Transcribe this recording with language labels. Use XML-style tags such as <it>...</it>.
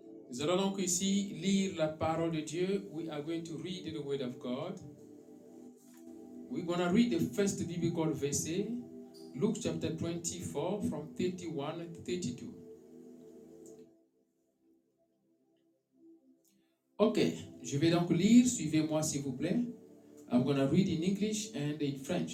<fr>Nous allons donc ici lire la parole de Dieu.</fr> <en>We are going to read the word of God. We're going to read the first biblical verse, Luke chapter 24, from 31 to 32.</en> <fr>Ok, je vais donc lire, suivez-moi s'il vous plaît.</fr> <en>I'm going to read in English and in French.</en>